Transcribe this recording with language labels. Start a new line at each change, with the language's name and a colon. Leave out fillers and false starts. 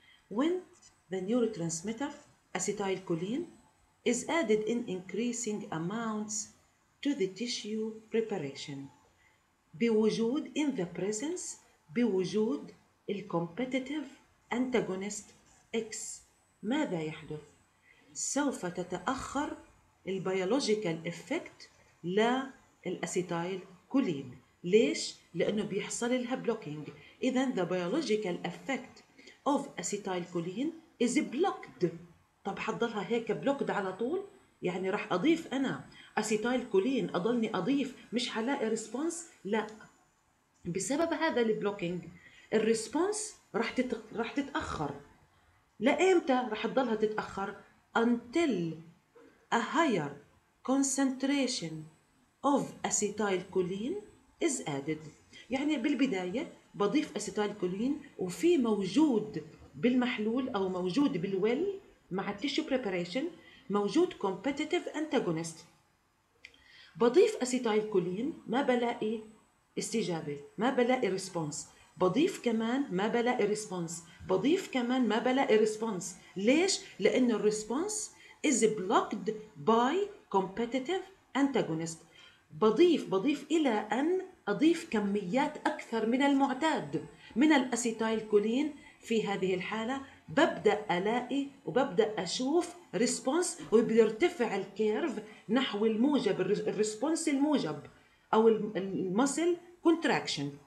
English: When the neurotransmitter acetylcholine is added in increasing amounts to the tissue preparation,
Arabic: بوجود
English: in the presence بوجود الcompetitive antagonist X،
Arabic: ماذا يحدث؟ سوف تتأخر البيولوجيكال إفكت للأسيتايل كولين. ليش؟ لأنه بيحصل لها بلوكينج.
English: إذن the biological effect of acetylcholine is blocked.
Arabic: طب حضلها هيك بلوكد على طول؟ يعني راح أضيف أنا acetylcholine أضلني أضيف مش هلاقي ريسبونس؟ لا، بسبب هذا البلوكينج الريسبونس راح تتأخر. لأمتى راح تضلها تتأخر؟
English: until a higher concentration of acetylcholine is added.
Arabic: يعني بالبداية بضيف acetylcholine وفي موجود بالمحلول أو موجود بالويل مع tissue preparation موجود competitive antagonist، بضيف acetylcholine ما بلاقي استجابة، ما بلاقي response، بضيف كمان ما بلاقي response، بضيف كمان ما بلاقي response. ليش؟ لأن
English: الresponse is blocked by competitive antagonist.
Arabic: بضيف إلى أن أضيف كميات أكثر من المعتاد من الأسيتايلكولين، في هذه الحالة ببدأ ألاقي وببدأ أشوف response وبيرتفع الكيرف نحو الموجب، الresponse الموجب أو المسل contraction.